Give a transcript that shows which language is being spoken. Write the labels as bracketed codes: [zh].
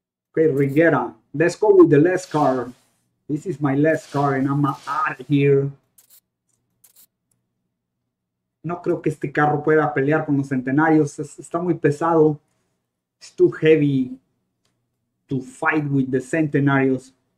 [en] Okay, Rigueira, let's go with the last car. This is my last car and I'm out of here. [es] No creo que este carro pueda pelear con los centenarios. Está muy pesado. [en] It's too heavy to fight with the centenarios.